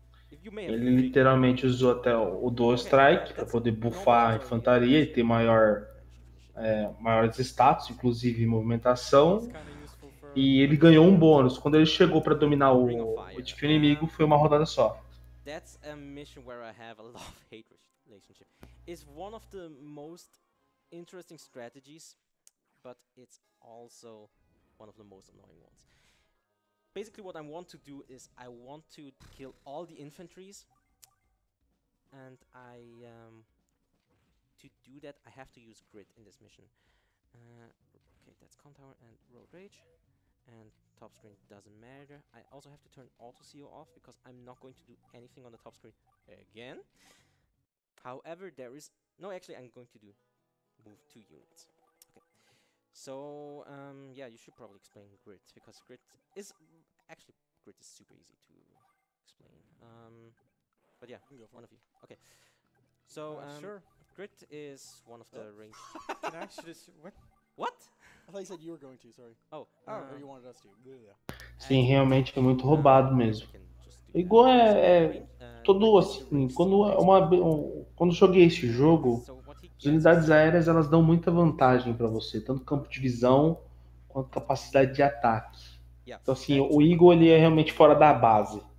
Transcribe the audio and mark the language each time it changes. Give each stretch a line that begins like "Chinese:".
Portuguese: Ele literalmente usou até o dual strike para poder buffar a infantaria e ter maiores status, inclusive movimentação. E ele ganhou um bônus. Quando ele chegou para dominar o tipo inimigo, foi uma rodada só.
English: That's a mission where I have a love-hate relationship. It's one of the most interesting strategies, but it's also one of the most annoying ones. Basically, what I want to do is I want to kill all the infantries, and I to do that I have to use grit in this mission. Okay, that's comm tower and road rage, and top screen doesn't matter. I also have to turn auto CO off because I'm not going to do anything on the top screen again. However, there is no. Actually, I'm going to move two units. So, yeah, you should probably explain grit, because grit is super easy to explain. But yeah, one of you. Okay. So, sure. Grit is one of the range. Can I actually just, what? What? I thought you said you were going to, sorry. Oh. Or you wanted us to.
Portuguese: Sim, realmente é muito roubado mesmo. Igual é todo assim, quando joguei esse jogo, as unidades aéreas elas dão muita vantagem para você, tanto campo de visão quanto capacidade de ataque.
English: Yeah,
Portuguese: então assim, o Eagle ele é realmente fora da base.